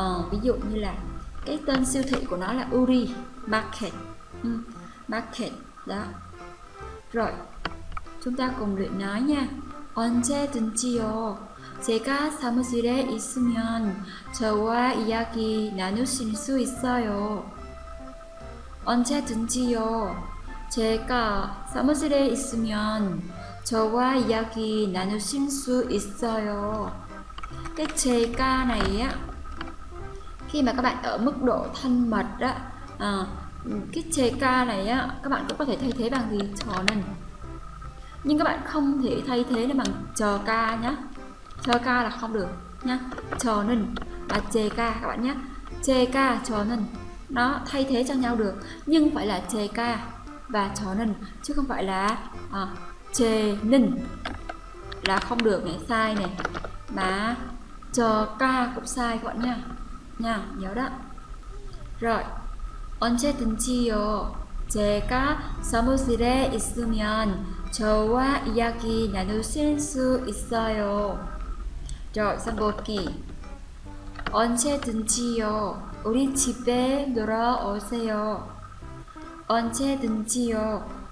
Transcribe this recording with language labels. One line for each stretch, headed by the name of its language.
Vietnamese: Ví dụ như là cái tên siêu thị của nó là Uri Market. Market đó. Rồi chúng ta cùng luyện nói nha.
Korean: 언제든지요. 제가 사무실에 있으면 저와 이야기 나누실 수 있어요. 언제든지요. 제가 사무실에 있으면 저와 이야기 나누실 수 있어요.
Vietnamese: Cái 제가 này á, khi mà các bạn ở mức độ thân mật á, cái 제가 này á, các bạn cũng có thể thay thế bằng gì?
Korean: 저는.
Vietnamese: Nhưng các bạn không thể thay thế nó bằng 제가 nhá. 제가 là không được nhá. 저는 và 제가 các bạn nhé. 제가 저는 nó thay thế cho nhau được, nhưng phải là 제가 và 저는 chứ không phải là 제 는 là không được này, sai này. Mà 제가 cũng sai các bạn nha. Nha, nhớ đó. Rồi.
Korean: 언제든지요. 제가 사무실에 있으면 저와 이야기 나누실 수 있어요. 저 선복기 언제든지요. 우리 집에 놀아 오세요. 언제든지요.